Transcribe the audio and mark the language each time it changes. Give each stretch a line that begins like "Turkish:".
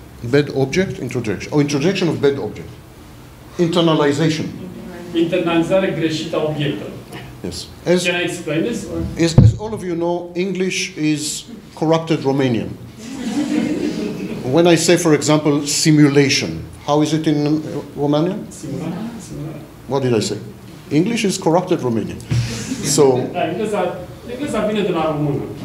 English: Bed object introjection. Oh, introjection of bed object. Internalization.
Romanian: Internalizare greșită a obiectului.
English: Yes. As, can I explain this? As all of you know, English is corrupted Romanian. When I say, for example, simulation, how is it in Romanian?
Romanian: Simulare.
English: What did I say? English is corrupted Romanian. So. English is
Romanian: vine de la română.